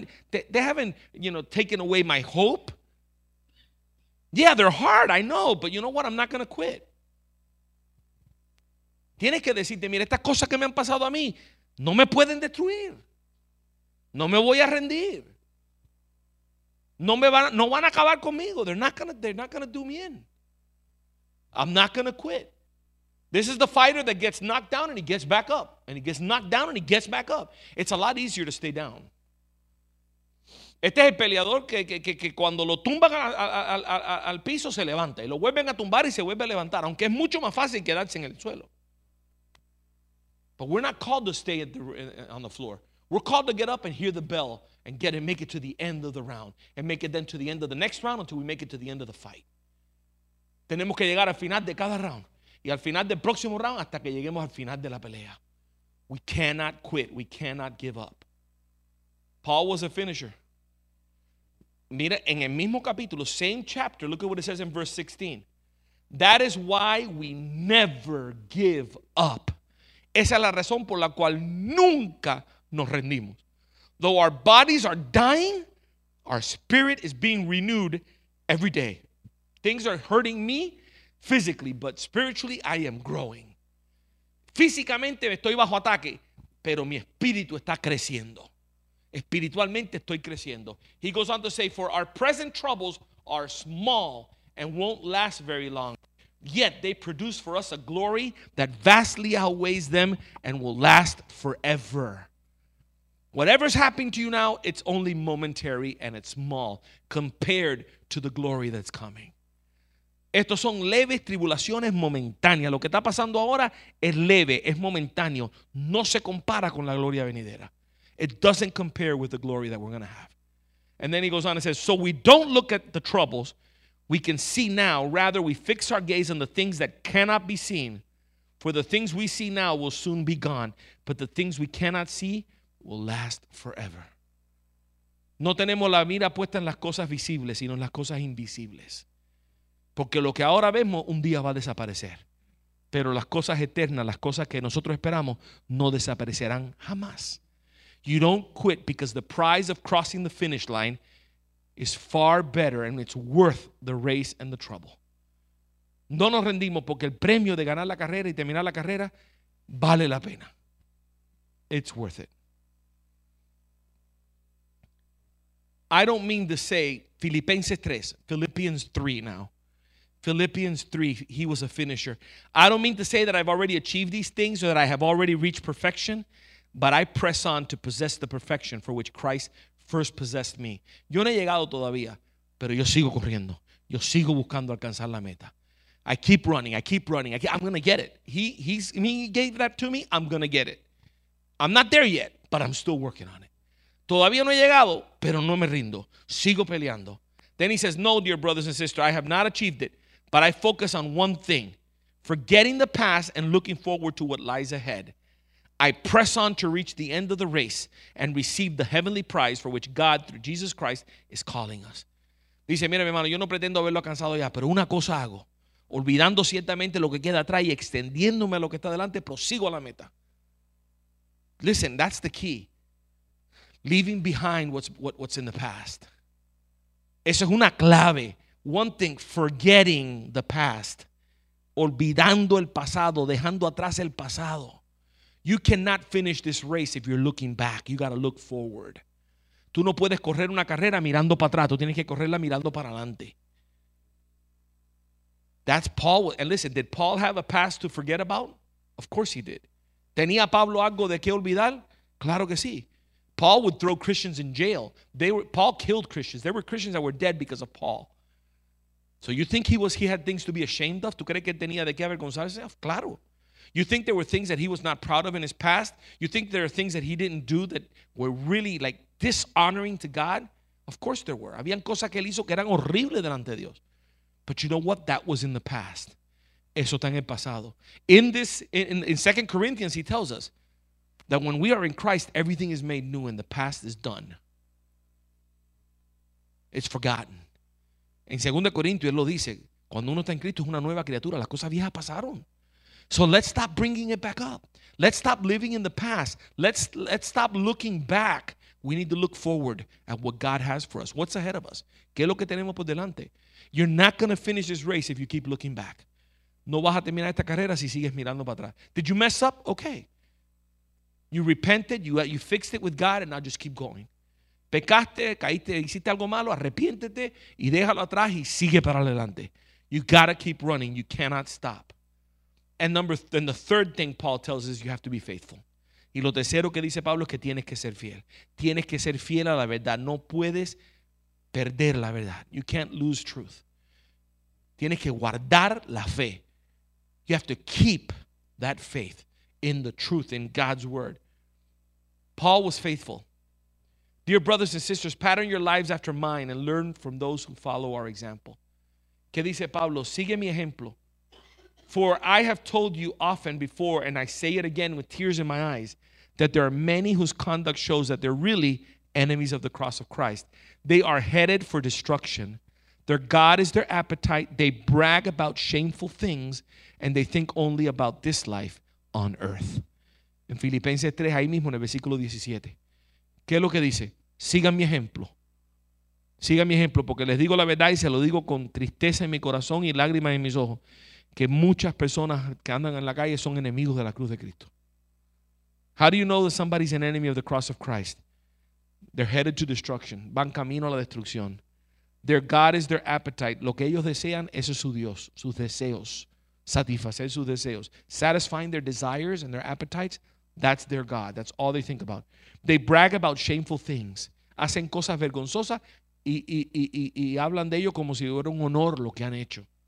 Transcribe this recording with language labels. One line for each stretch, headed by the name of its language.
English: They haven't, you know, taken away my hope. Yeah, they're hard, I know, but you know what? I'm not going to quit.
Spanish: Tienes que decirte, mira, estas cosas que me han pasado a mí, no me pueden destruir. No me voy a rendir. No van a acabar conmigo.
English: They're not gonna do me in. I'm not gonna quit. This is the fighter that gets knocked down and he gets back up. And he gets knocked down and he gets back up. It's a lot easier to stay down.
Spanish: Este es el peleador que cuando lo tumban al piso se levanta. Y lo vuelven a tumbar y se vuelve a levantar. Aunque es mucho más fácil quedarse en el suelo.
English: But we're not called to stay on the floor. We're called to get up and hear the bell and get and make it to the end of the round. And make it then to the end of the next round until we make it to the end of the fight.
Spanish: Tenemos que llegar al final de cada round. Y al final del próximo round hasta que lleguemos al final de la pelea.
English: We cannot quit. We cannot give up. Paul was a finisher.
Spanish: Mira, en el mismo capítulo,
English: same chapter, look at what it says in verse 16. That is why we never give up.
Spanish: Esa es la razón por la cual nunca nos rendimos.
English: Though our bodies are dying, our spirit is being renewed every day. Things are hurting me physically, but spiritually I am growing.
Spanish: Físicamente estoy bajo ataque, pero mi espíritu está creciendo. Espiritualmente estoy creciendo.
English: He goes on to say, for our present troubles are small and won't last very long. Yet they produce for us a glory that vastly outweighs them and will last forever. Whatever's happening to you now, it's only momentary and it's small compared to the glory that's coming.
Spanish: Estos son leves tribulaciones momentáneas. Lo que está pasando ahora es leve, es momentáneo. No se compara con la gloria venidera.
English: It doesn't compare with the glory that we're going to have. And then he goes on and says, so we don't look at the troubles we can see now. Rather, we fix our gaze on the things that cannot be seen. For the things we see now will soon be gone. But the things we cannot see will last forever.
Spanish: No tenemos la mira puesta en las cosas visibles, sino en las cosas invisibles. Porque lo que ahora vemos un día va a desaparecer. Pero las cosas eternas, las cosas que nosotros esperamos, no desaparecerán jamás.
English: You don't quit because the prize of crossing the finish line is far better and it's worth the race and the trouble.
Spanish: No nos rendimos porque el premio de ganar la carrera y terminar la carrera vale la pena.
English: It's worth it. I don't mean to say Filipenses 3, Philippians 3 now. Philippians 3, he was a finisher. I don't mean to say that I've already achieved these things or that I have already reached perfection. But I press on to possess the perfection for which Christ first possessed me.
Spanish: Yo no he llegado todavía, pero yo sigo corriendo. Yo sigo buscando alcanzar la meta.
English: I keep running. I'm going to get it. He gave that to me. I'm going to get it. I'm not there yet, but I'm still working on it.
Spanish: Todavía no he llegado, pero no me rindo. Sigo peleando.
English: Then he says, no, dear brothers and sisters, I have not achieved it, but I focus on one thing, forgetting the past and looking forward to what lies ahead. I press on to reach the end of the race and receive the heavenly prize for which God, through Jesus Christ, is calling us.
Spanish: Dice, mira, mi hermano, yo no pretendo haberlo alcanzado ya, pero una cosa hago. Olvidando ciertamente lo que queda atrás y extendiéndome a lo que está adelante, prosigo a la meta.
English: Listen, that's the key. Leaving behind what's in the past.
Spanish: Eso es una clave.
English: One thing, forgetting the past.
Spanish: Olvidando el pasado, dejando atrás el pasado.
English: You cannot finish this race if you're looking back. You got to look forward.
Spanish: Tú no puedes correr una carrera mirando para atrás. Tú tienes que correrla mirando para adelante.
English: That's Paul. And listen, did Paul have a past to forget about? Of course he did.
Spanish: ¿Tenía Pablo algo de qué olvidar? Claro que sí.
English: Paul would throw Christians in jail. Paul killed Christians. There were Christians that were dead because of Paul. So you think he had things to be ashamed of?
Spanish: ¿Tú crees que tenía de qué avergonzarse? Claro.
English: You think there were things that he was not proud of in his past? You think there are things that he didn't do that were really like dishonoring to God? Of course there were.
Spanish: Habían cosas que él hizo que eran horribles delante de Dios.
English: But you know what? That was in the past.
Spanish: Eso está en el pasado.
English: In this, in 2 Corinthians, he tells us that when we are in Christ, everything is made new and the past is done. It's forgotten.
Spanish: En 2 Corintios, él lo dice, cuando uno está en Cristo es una nueva criatura, las cosas viejas pasaron.
English: So let's stop bringing it back up. Let's stop living in the past. Let's stop looking back. We need to look forward at what God has for us. What's ahead of us?
Spanish: ¿Qué es lo que tenemos por delante?
English: You're not going to finish this race if you keep looking back.
Spanish: No vas a terminar esta carrera si sigues mirando para atrás.
English: Did you mess up? Okay. You repented, you fixed it with God, and now just keep going.
Spanish: Pecaste, caíste, hiciste algo malo, arrepiéntete, y déjalo atrás, y sigue para adelante.
English: You got to keep running. You cannot stop. And number then the third thing Paul tells us, you have to be faithful.
Spanish: Y lo tercero que dice Pablo es que tienes que ser fiel. Tienes que ser fiel a la verdad. No puedes perder la verdad.
English: You can't lose truth.
Spanish: Tienes que guardar la fe.
English: You have to keep that faith in the truth, in God's word. Paul was faithful. Dear brothers and sisters, pattern your lives after mine and learn from those who follow our example.
Spanish: ¿Qué dice Pablo? Sigue mi ejemplo.
English: For I have told you often before, and I say it again with tears in my eyes, that there are many whose conduct shows that they're really enemies of the cross of Christ. They are headed for destruction. Their God is their appetite. They brag about shameful things, and they think only about this life on earth.
Spanish: En Filipenses 3, ahí mismo en el versículo 17. ¿Qué es lo que dice? Sigan mi ejemplo. Sigan mi ejemplo, porque les digo la verdad y se lo digo con tristeza en mi corazón y lágrimas en mis ojos. Que muchas personas que andan en la calle son enemigos de la cruz de Cristo.
English: How do you know that somebody's an enemy of the cross of Christ? They're headed to destruction.
Spanish: Van camino a la destrucción.
English: Their God is their appetite.
Spanish: Lo que ellos desean, ese es su Dios. Sus deseos. Satisfacer sus deseos.
English: Satisfying their desires and their appetites, that's their God. That's all they think about. They brag about shameful things.
Spanish: Hacen cosas vergonzosas y hablan de ello como si fuera un honor lo que han hecho.